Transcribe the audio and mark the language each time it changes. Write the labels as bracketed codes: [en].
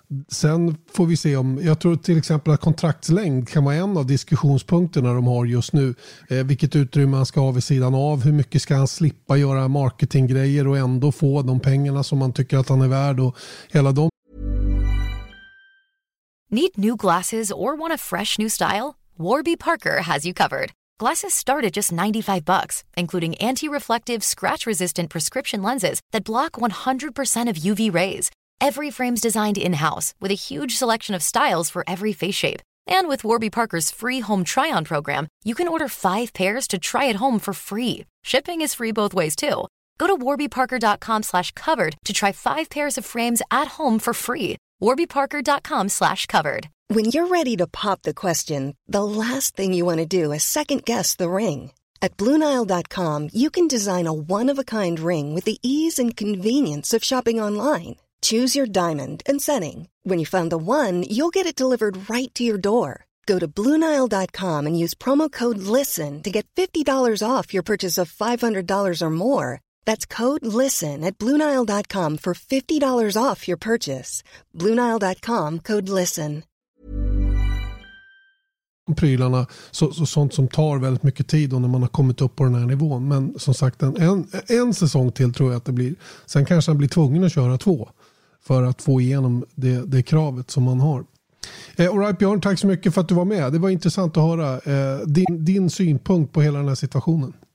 [sv] Sen får vi se om, jag tror till exempel att kontraktslängd kan vara en av diskussionspunkterna de har just nu. Vilket utrymme han ska ha vid sidan av, hur mycket ska han slippa göra marketinggrejer och ändå få de pengarna som man tycker att han är värd, och hela de. [en] Need new glasses or want a fresh new style? Warby Parker has you covered. Glasses start at just $95, including anti-reflective, scratch-resistant prescription lenses that block 100% of UV rays. Every frame's designed in-house, with a huge selection of styles for every face shape. And with Warby Parker's free home try-on program, you can order 5 pairs to try at home for free. Shipping is free both ways, too. Go to warbyparker.com/covered to try 5 pairs of frames at home for free. WarbyParker.com/covered. When you're ready to pop the question, the last thing you want to do is second-guess the ring. At BlueNile.com, you can design a one-of-a-kind ring with the ease and convenience of shopping online. Choose your diamond and setting. When you find the one, you'll get it delivered right to your door. Go to BlueNile.com and use promo code LISTEN to get $50 off your purchase of $500 or more. That's code LISTEN at BlueNile.com for $50 off your purchase. BlueNile.com, code LISTEN. [sv] Prylarna, sånt som tar väldigt mycket tid då när man har kommit upp på den här nivån. Men som sagt, en säsong till tror jag att det blir. Sen kanske han blir tvungen att köra två för att få igenom det kravet som man har. [en] All right, [sv] Björn, tack så mycket för att du var med. Det var intressant att höra din synpunkt på hela den här situationen.